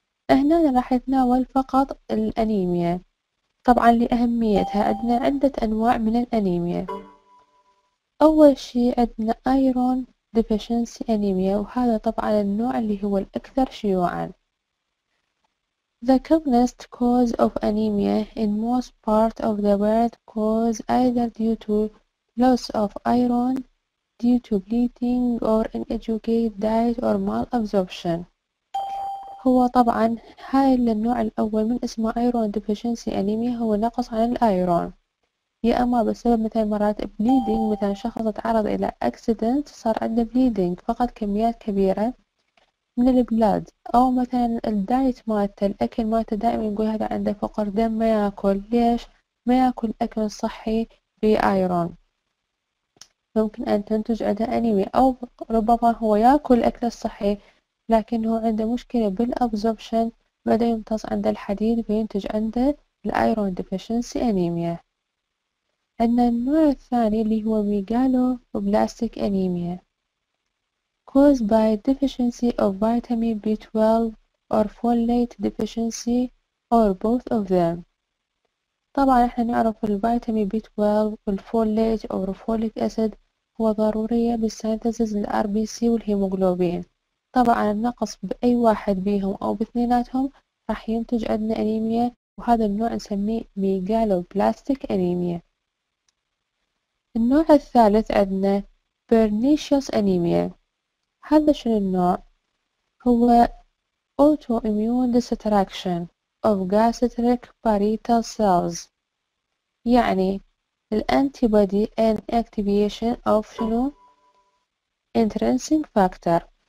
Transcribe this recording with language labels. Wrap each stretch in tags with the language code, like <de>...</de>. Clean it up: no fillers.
<ar>هنا راح نتناول فقط الانيميا. طبعا لأهميتها عندنا عدة انواع من الانيميا. اول شيء عندنا ايرون ديفيشنسي انيميا، وهذا طبعا النوع اللي هو الاكثر شيوعا.</ar> <en>The commonest cause of anemia in most part of the world cause either due to loss of iron, due to bleeding or inadequate diet or malabsorption.</en> <ar>هو طبعا هاي النوع الاول من اسمه</ar> <en>iron deficiency anemia،</en> <ar>هو نقص عن الايرون، يا اما بسبب مثلا مرات bleeding، مثلا شخص تعرض الى accident صار عنده bleeding، فقد كميات كبيرة من البلاد، او مثلا الدايت مالته، الاكل مالته دائما يقول هذا عنده فقر دم ما ياكل. ليش ما ياكل اكل صحي في ايرون؟ ممكن ان تنتج عنده انيميا، او ربما هو ياكل الاكل الصحي لكنه عنده مشكلة بالابزوربشن، بدأ يمتص عند الحديد فينتج عنده الايرون ديفيشنسي انيميا. ان النوع الثاني اللي هو ميغالو بلاستيك انيميا،</ar> <en>caused by deficiency of vitamin B12 or folate deficiency or both of them.</en> <ar>طبعا احنا نعرف الفيتامين B12 والفوليت او فوليك اسيد هو ضرورية بالسينثيسيس للار بي سي والهيموغلوبين. طبعا النقص باي واحد بيهم او باثنيناتهم راح ينتج عندنا انيميا، وهذا النوع نسميه ميغالو بلاستيك انيميا. النوع الثالث عندنا بيرنيشيوس انيميا. هذا شنو النوع؟ هو</ar> <en>auto immune distraction of gastric parietal cells،</en> <ar>يعني الانتيبادي</ar> <en>and activation of</en> <ar>شنو؟</ar> <en>intrinsic factor.</en>